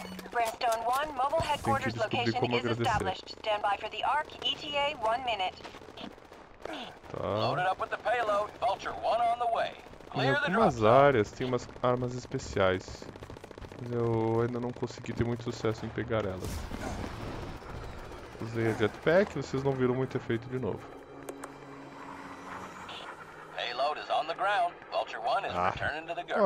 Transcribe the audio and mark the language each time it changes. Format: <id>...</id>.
<en>Brandstone 1, mobile headquarters location is established. Stand by for the arc, ETA 1 minute. Tá. Loaded up with the payload, Vulture 1 on the way.</en> <pt>Em algumas áreas tem umas armas especiais. Mas eu ainda não consegui ter muito sucesso em pegar elas. Usei a jetpack, vocês não viram muito efeito de novo.</pt> <en>Payload is on the ground. Vulture 1 is returning to the guard.</en>